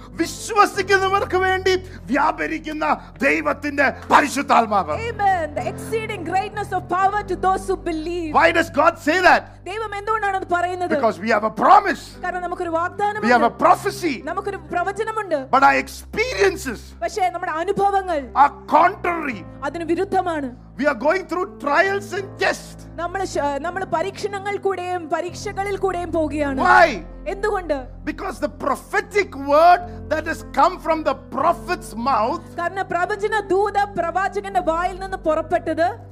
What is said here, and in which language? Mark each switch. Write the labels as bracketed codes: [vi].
[ml] വിശ്വസിക്കുന്നവർക്ക് വേണ്ടി വ്യാപരിക്കുന്ന ദൈവത്തിന്റെ പരിശുദ്ധാത്മാവ്. [en] Amen. The exceeding greatness of power to those who believe. Why does God say that? [ml] ദൈവം എന്തുകൊണ്ടാണ് അത് പറയുന്നത്? [en] Because we have a promise. [ml] കാരണം നമുക്കൊരു വാഗ്ദാനമുണ്ട്. [en] We have a prophecy. [ml] നമുക്കൊരു പ്രവചനമുണ്ട്. [en] But our experiences, [ml] പക്ഷേ നമ്മുടെ അനുഭവങ്ങൾ, [en] are contrary. [ml] അതിനു വിരുദ്ധമാണ്. [en] We are going through trials and tests. [ml] നമ്മൾ പരീക്ഷണങ്ങൾ കൂടെയും പരീക്ഷകളിൽ കൂടെയും പോവുകയാണ്. [en] Why? [ml] എന്തുകൊണ്ട്? [en] Because the prophetic word that has come from the prophet's mouth, [ml] കാരണം പ്രവചന ദൂത പ്രവാചകന്റെ വായിൽ നിന്ന് പുറപ്പെട്ടത്,